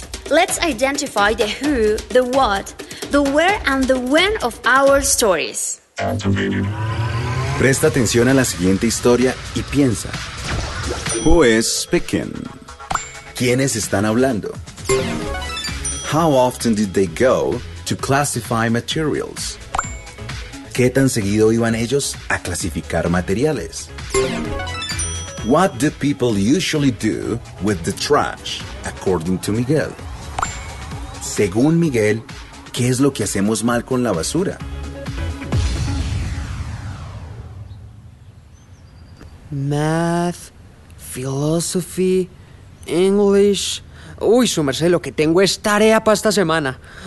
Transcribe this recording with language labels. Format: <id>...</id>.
<en>Let's identify the who, the what, the where and the when of our stories.</en> <es>Presta atención a la siguiente historia y piensa.</es> <en>Who is speaking?</en> <es>¿Quiénes están hablando?</es> <en>How often did they go to classify materials?</en> <es>¿Qué tan seguido iban ellos a clasificar materiales?</es> <en>What do people usually do with the trash, according to Miguel?</en> <es>Según Miguel, ¿qué es lo que hacemos mal con la basura?</es> <en>Math, philosophy, English...</en> <es>Uy, su merced, lo que tengo es tarea para esta semana.</es>